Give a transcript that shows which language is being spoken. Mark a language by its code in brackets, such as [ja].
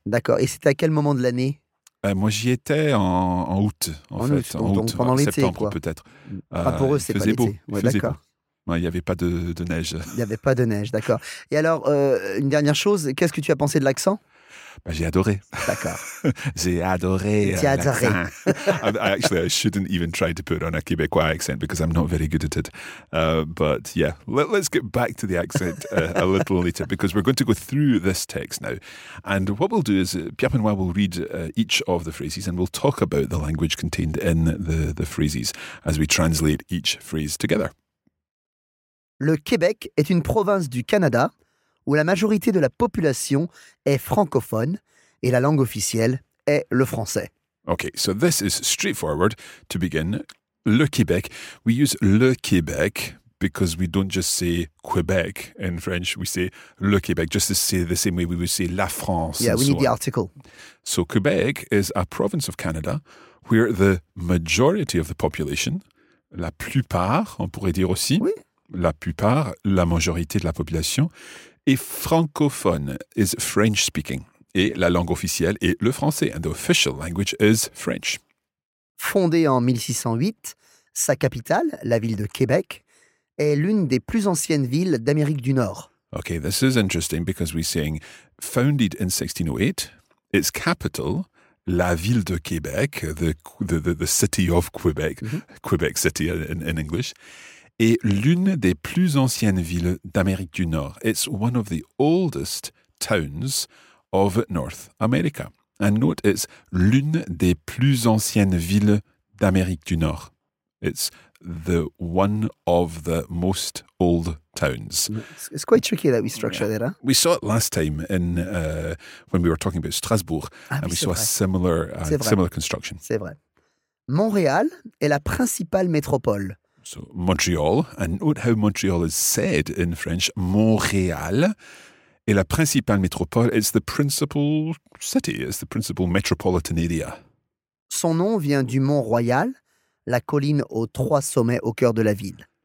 [fr] D'accord. Et c'était à quel moment de l'année? Moi, j'y étais en août, en fait. Août. Donc, pendant l'été, septembre, quoi. Peut-être. Pas pour eux, c'est pas l'été. Beau. Ouais, il faisait d'accord. Beau. Il n'y avait pas de neige. Il n'y avait pas de neige, d'accord. Et alors, une dernière chose, qu'est-ce que tu as pensé de l'accent? J'ai adoré. D'accord. J'ai adoré. J'ai adoré. [en] Actually, I shouldn't even try to put on a Quebecois accent because I'm not very good at it. But yeah, let's get back to the accent a little later because we're going to go through this text now. And what we'll do is Pierre-Benoît will read each of the phrases and we'll talk about the language contained in the phrases as we translate each phrase together. [fr] Le Québec est une province du Canada où la majorité de la population est francophone et la langue officielle est le français. [en] Okay, so this is straightforward. To begin, le Québec. We use le Québec because we don't just say Quebec in French. We say le Québec just to say the same way we would say la France. Yeah, and we so need on. The article. So Quebec is a province of Canada where the majority of the population, [fr] la plupart, on pourrait dire aussi, oui. La plupart, la majorité de la population, et francophone [en] is French speaking. [fr] Et la langue officielle est le français. [en] And the official language is French. [fr] Fondée en 1608, sa capitale, la ville de Québec, est l'une des plus anciennes villes d'Amérique du Nord. [en] Okay, this is interesting because we're saying founded in 1608, its capital, la ville de Québec, the city of Quebec, mm-hmm. Quebec City in English, [fr] est l'une des plus anciennes villes d'Amérique du Nord. [en] It's one of the oldest towns of North America. And note, it's [fr] l'une des plus anciennes villes d'Amérique du Nord. [en] It's the one of the most old towns. It's quite tricky that we structure that, huh? We saw it last time in when we were talking about Strasbourg, and we saw [fr] vrai. [en] A similar, similar construction. [fr] C'est vrai. Montréal est la principale métropole. [en] So Montreal, and note how Montreal is said in French, Montréal, [fr] est la principale métropole, [en] it's the principal city, it's the principal metropolitan area. [fr] Son nom vient du Mont Royal, la colline aux 3 sommets au cœur de la ville.